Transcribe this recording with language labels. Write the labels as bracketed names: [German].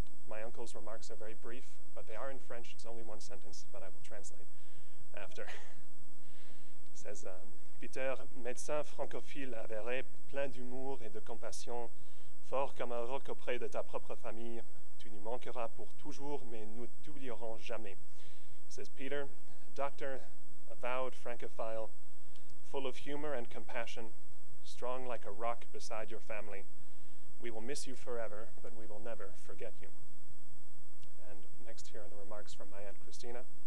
[English] My uncle's remarks are very brief, but they are in French. It's only one sentence, but I will translate after. It says, [French] Peter, médecin francophile avéré, plein d'humour et de compassion, fort comme un roc auprès de ta propre famille, tu nous manqueras pour toujours, mais nous t'oublierons jamais. [English] Says Peter, doctor, avowed francophile, full of humor and compassion, strong like a rock beside your family. We will miss you forever, but we will never forget you. And next here are the remarks from my Aunt Christina.